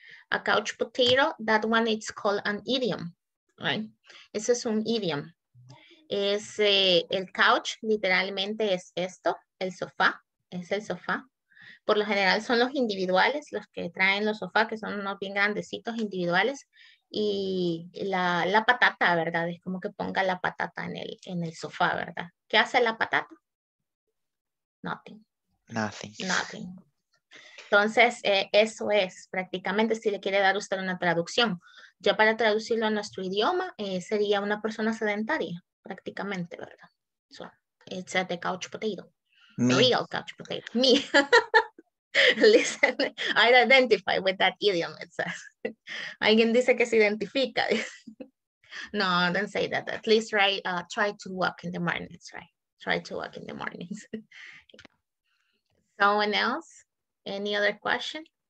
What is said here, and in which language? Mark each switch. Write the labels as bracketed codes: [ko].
[en] A couch potato, that one it's called an idiom, right? [es] Ese es un idiom. Es el couch, literalmente es esto, el sofá, es el sofá. Por lo general son los individuales los que traen los sofás, que son unos bien grandecitos individuales. Y la patata, ¿verdad? Es como que ponga la patata en el sofá, ¿verdad? ¿Qué hace la patata? [en] Nothing. Nothing. Nothing. [es] Entonces, eso es prácticamente si le quiere dar usted una traducción. Ya para traducirlo a nuestro idioma, sería una persona sedentaria, prácticamente, ¿verdad? [en] So, it's the couch potato. Me. Real couch potato. Me. Listen, I identify with that idiom, it says. [es] Alguien dice que se identifica. No, [en] don't say that. At least try to walk in the mornings, right? Try to walk in the mornings. Someone else? Any other question?